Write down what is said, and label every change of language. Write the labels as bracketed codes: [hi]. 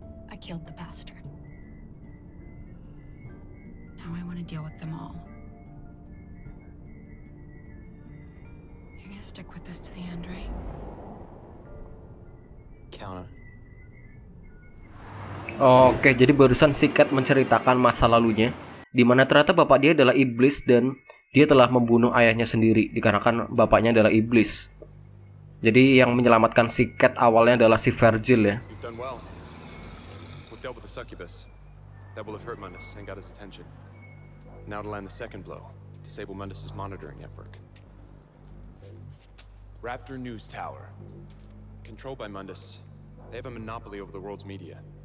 [en] I killed the bastard. Now I want to deal with them all. You're gonna stick with this to the end, right? Counter. [id] Oke, jadi barusan si Kat menceritakan masa lalunya, di mana ternyata bapak dia adalah iblis dan dia telah membunuh ayahnya sendiri dikarenakan bapaknya adalah iblis. Jadi yang menyelamatkan si Kat awalnya adalah si Virgil ya. [en] You've done well. We've dealt with the succubus. That will have hurt Mundus and got his attention. Now to land the second blow, disable Mundus's monitoring network. Raptor News Tower, controlled by Mundus, they have a monopoly over the world's media.